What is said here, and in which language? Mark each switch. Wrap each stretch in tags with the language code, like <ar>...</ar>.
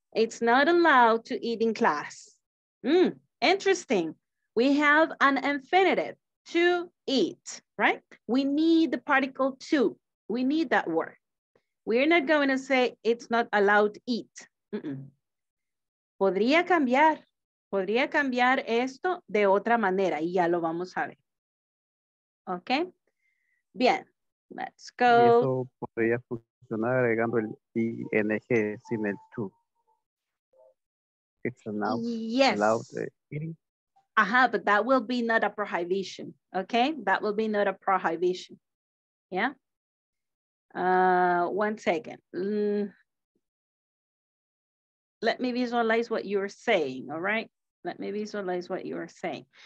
<en>It's not allowed to eat in class. Interesting. We have an infinitive, to eat, right? We need the particle to. We need that word. We're not going to say it's not allowed to eat.</en> <es>Mm-mm. Podría cambiar. Podría cambiar esto de otra manera y ya lo vamos a ver.</es> <en>Okay?</en> <es>Bien.</es> <en>Let's go.</en> <es>Y eso podría funcionar agregando el ing sin el to.</es> <en>It's allowed. Yes. Allowed eating. Aha, but that will be not a prohibition. Okay, that will be not a prohibition. Yeah. One second. Let me visualize what you're saying. All right. Let me visualize what you're saying.</en>